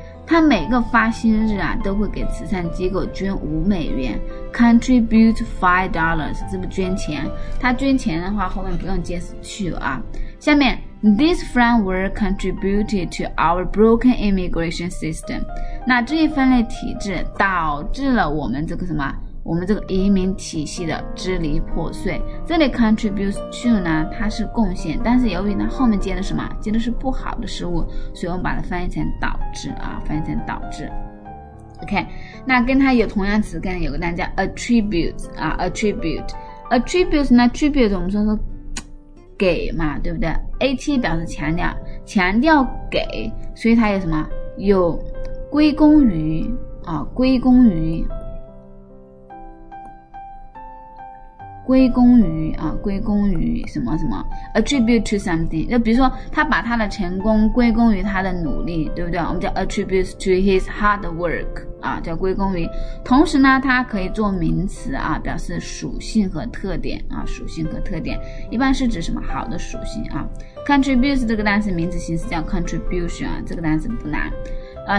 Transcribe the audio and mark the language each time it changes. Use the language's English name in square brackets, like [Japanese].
[Chinese] 他每个发薪日啊都会给慈善机构捐$5。 [English] Contribute $5， [Chinese] 这不捐钱，他捐钱的话后面不用介词 to 啊。下面 [English] This framework contributed to our broken immigration system. [Chinese] 那这一分类体制导致了我们这个什么，我们这个移民体系的支离破碎。这里 contributes to 呢，它是贡献，但是由于呢后面接的什么，接的是不好的事物，所以我们把它翻译成导致啊，翻译成导致。 OK， 那跟它有同样词根有个单叫 attribute 啊 ，attribute。 attribute 呢 ，tribute 我们说给嘛，对不对？ AT 表示强调，强调给，所以它有什么？有归功于啊，归功于，归功于啊，归功于什么什么 ？ [English] Attribute to something， [Chinese] 就比如说他把他的成功归功于他的努力，对不对？我们叫 [English] attributes to his hard work [Chinese] 啊，叫归功于。同时呢，它可以做名词啊，表示属性和特点啊，属性和特点一般是指什么好的属性啊。 Contributes 这个单词名词形式叫 contribution 啊，这个单词不难啊。